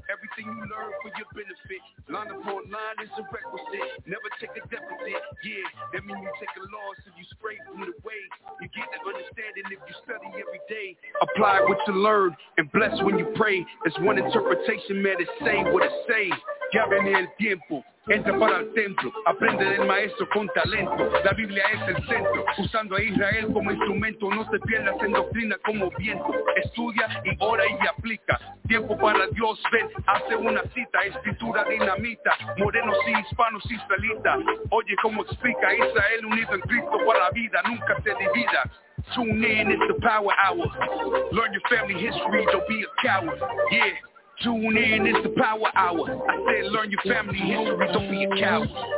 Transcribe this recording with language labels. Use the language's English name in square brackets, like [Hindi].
[English] Everything you learn for your benefit. Line upon line is a requisite. Never take a deficit, yeah. That means you take a loss and you spray from the way. You get that understanding if you study every day. Apply what you learn and bless when you pray. That's one interpretation, man, it's say what it say. [Spanish] Llave en el tiempo, entra para el templo, aprende del maestro con talento, la Biblia es el centro, usando a Israel como instrumento, no te pierdas en doctrina como viento, estudia y ora y aplica, tiempo para Dios, ven, hace una cita, escritura dinamita, morenos y hispanos, israelita, oye cómo explica, Israel unido en Cristo para la vida, nunca se divida. [English] Tune in, it's the power hour, learn your family history, don't be a coward, yeah. Tune in, it's the power hour. I said learn your family history, don't be a coward.